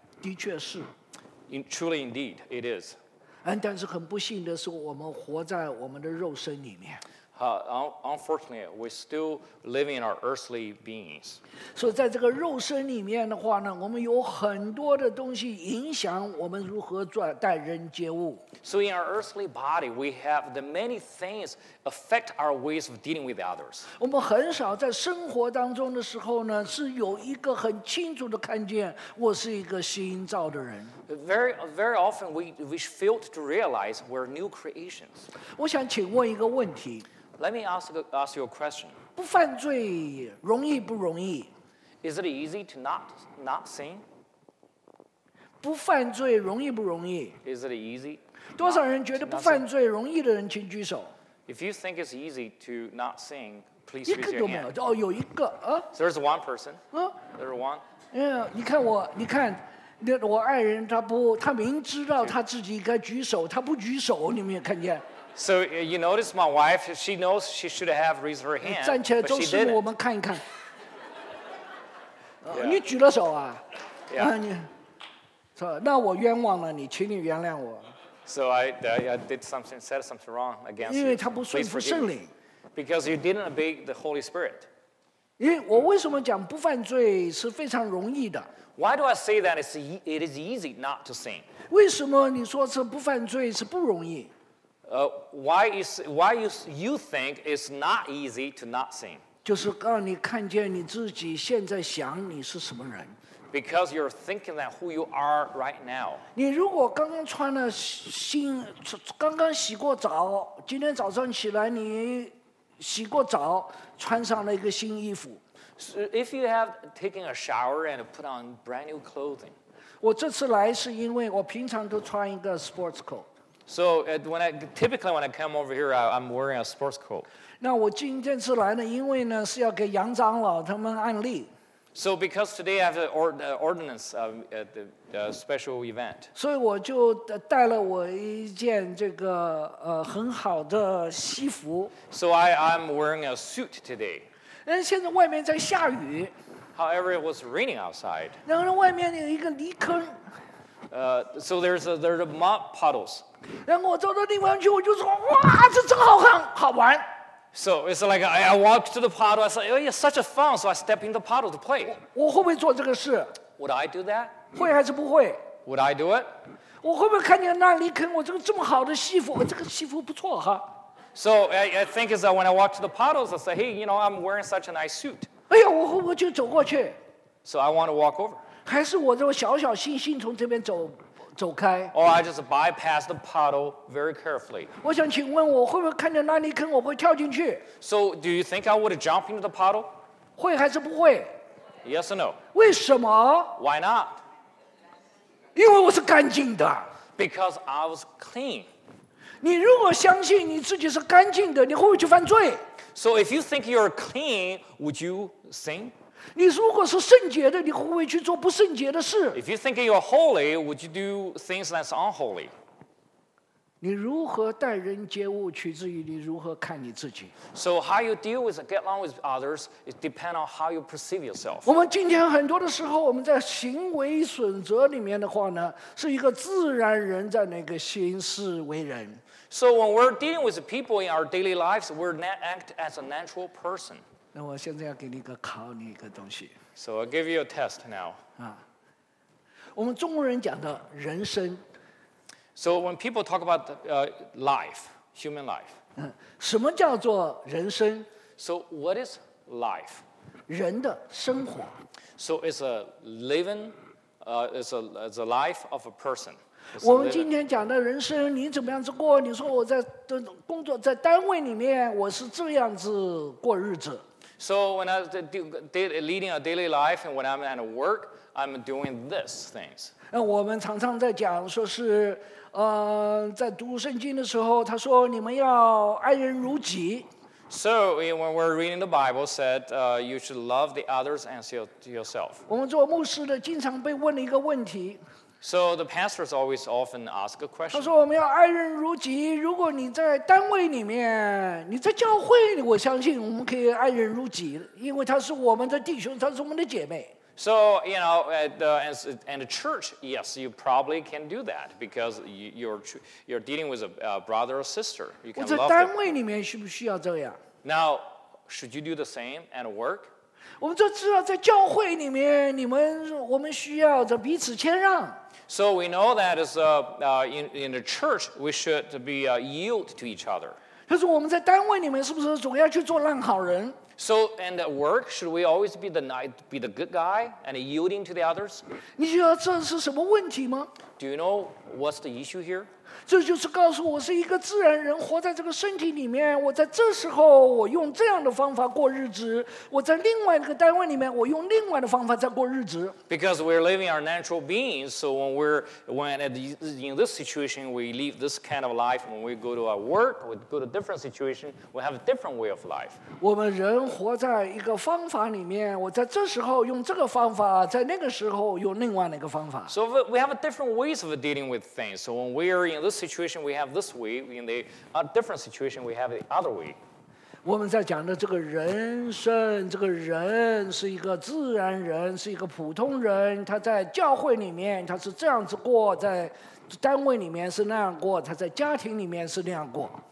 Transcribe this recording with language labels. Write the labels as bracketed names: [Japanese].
[Chinese] 的确是 [English] Truly indeed, it is. [Chinese] 但是很不幸的是我们活在我们的肉身里面 [English] Unfortunately, we're still living in our earthly beings. [Chinese] 所以在这个肉身里面的话呢我们有很多的东西影响我们如何待人接物 [English] So in our earthly body, we have the many things affect our ways of dealing with others. [Chinese] 我们很少在生活当中的时候呢是有一个很清楚的看见我是一个新造的人 [English] Very often, we fail to realize we're new creations. [Chinese] 我想请问一个问题 [English] Let me ask you a question. [Chinese] 不犯罪容易不容易? [English] Is it easy to not sin? [Chinese] 不犯罪容易不容易? [English] Is it easy? [Chinese] 多少人觉得不犯罪容易的人请举手? [English] If you think it's easy to not sin, please raise your hand. [Chinese] 一个都没有，哦，有一个，啊。 [English] There's one person. There's one. [Chinese] 你看我，你看。我爱人他明知道他自己该举手，他不举手，你们也看见。 [English] So you notice my wife, she knows she should have raised her hand, [Chinese] 站起来周师傅我们看一看。你举了手啊。那我冤枉了你请你原谅我。 [English] So I did something, said something wrong against you. [Chinese] 因为他不顺服圣灵。 [English] Because you didn't obey the Holy Spirit. [Chinese] 因为我为什么讲不犯罪是非常容易的。 [English] Why do I say that it is easy not to sin? [Chinese] 为什么你说是不犯罪是不容易 [English] why you think it's not easy to not sing? [Chinese] 就是让你看见你自己现在想你是什么人。 [English] Because you're thinking that who you are right now. [Chinese] 你如果刚刚穿了新，刚刚洗过澡，今天早上起来你洗过澡，穿上了一个新衣服。 [English] So if you have taken a shower and put on brand new clothing. [Chinese] 我这次来是因为我平常都穿一个 sports coat. [English] So when I, typically when I come over here, I'm wearing a sports coat. [Chinese] 那我今天是来呢，因为呢是要给杨长老他们按例。 [English] So because today I have an ordinance of the special event. [Chinese] 所以我就带了我一件这个很好的西服。 [English] So I'm wearing a suit today. [Chinese] 但现在外面在下雨。 [English] However, it was raining outside. [Chinese] 然后外面有一个泥坑。 [English] So there's a mud puddles. [Chinese] 然后我走到地方去，我就说哇，这真好看，好玩。 [English] So it's like I walked to the puddle. I said, "Oh, yeah, such a fun!" So I stepped in the puddle to play. [Chinese] 我会不会做这个事 [English] ？Would I do that? [Chinese] 会还是不会 [English] ？Would I do it? [Chinese] 我会不会看见那泥坑？我这个这么好的西服，我这个西服不错哈。 [English] So I think is that when I walked to the puddles, I said, "Hey, you know, I'm wearing such a nice suit." [Chinese] 哎呀，我会不会就走过去 [English] ？So I want to walk over. [Chinese] 还是我这么小小心心从这边走？走开 [English] Or I just bypass the puddle very carefully. [Chinese] 我想请问我会不会看见那泥坑我会跳进去 [English] So do you think I would jump into the puddle? [Chinese] 会还是不会 [English] Yes or no? [Chinese] 为什么 [English] Why not? [Chinese] 因为我是干净的 [English] Because I was clean. [Chinese] 你如果相信你自己是干净的你会不会去犯罪 [English] So if you think you're clean, would you sin? [Chinese] 你如果是圣洁的，你会不会去做不圣洁的事 [English] ？If you think you're holy, would you do things that's unholy? [Chinese] 你如何待人接物，取自于你如何看你自己。 [English] So how you deal with get along with others, it depends on how you perceive yourself. [Chinese] 我们今天很多的时候，我们在行为准则里面的话呢，是一个自然人在那个行事为人。 [English] So when we're dealing with people in our daily lives, we act as a natural person. [Chinese] 那我现在要给你一个考你一个东西。 [English] So I'll give you a test now. [Chinese] 啊，我们中国人讲的人生。 [English] So when people talk about life, human life. [Chinese] 嗯，什么叫做人生 [English] ？So what is life? [Chinese] 人的生活。 [English] So it's a living, it's a life of a person. [Chinese] 我们今天讲的人生，你怎么样子过？你说我在工作在单位里面，我是这样子过日子。 [English] So when I'm leading a daily life and when I'm at work, I'm doing these things. [Chinese] 我们常常在讲说是在读圣经的时候他说你们要爱人如己。 [English] So when we're reading the Bible, said you should love the others as yourself. [Chinese] 我们做牧师的经常被问一个问题。 [English] So the pastors always often ask a question. [Chinese] 他说我们要爱人如己。如果你在单位里面，你在教会，我相信我们可以爱人如己，因为他是我们的弟兄，他是我们的姐妹。 [English] So you know, at the church, yes, you probably can do that because you're dealing with a brother or sister. You can love them. [Chinese] 我在单位里面需不需要这样 [English] ？Now, should you do the same at work? [Chinese] 我们就知道在教会里面，我们需要着彼此谦让。 [English] So we know that as in the church, we should be yield to each other. [Chinese] 就是我们在单位里面是不是总要去做烂好人 [English] ？So and at work, should we always be the good guy and yielding to the others? [Chinese] 你觉得这是什么问题吗 [English] ？Do you know what's the issue here? [Chinese] 这就是告诉我是一个自然人，活在这个身体里面。我在这时候，我用这样的方法过日子；我在另外一个单位里面，我用另外的方法在过日子。 [English] Because we're living our natural beings, so when in this situation, we live this kind of life. When we go to our work, we go to a different situation, we have a different way of life. [Chinese] 我们人活在一个方法里面，我在这时候用这个方法，在那个时候用另外一个方法。 [English] So we have a different ways of dealing with things. So when we are in this situation, we have this way. In the different situation, we have the other way. [Chinese] 我们在讲的这个人生，这个人是一个自然人，是一个普通人。他在教会里面，他是这样子过；在单位里面是那样过；他在家庭里面是那样过。